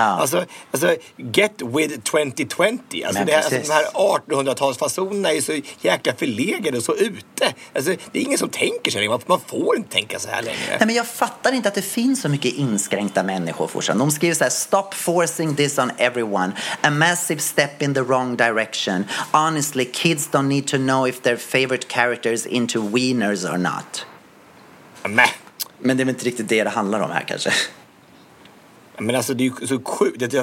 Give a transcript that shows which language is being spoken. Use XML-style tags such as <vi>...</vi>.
<sv>Alltså</sv> <en>get with 2020.</en> <sv>Alltså, det här, alltså de här 1800-talsfasonerna är så jäkla förlegade och så ute. Alltså det är ingen som tänker så här. Man får inte tänka så här längre. Nej, men jag fattar inte att det finns så mycket inskränkta människor fortfarande. De skriver så här:</sv> <en>stop forcing this on everyone. A massive step in the wrong direction. Honestly, kids don't need to know if their favorite characters into wieners or not. Mäh.</en> <sv>Men det är väl inte riktigt det handlar om här kanske. Men alltså det är ju så sjukt.</sv>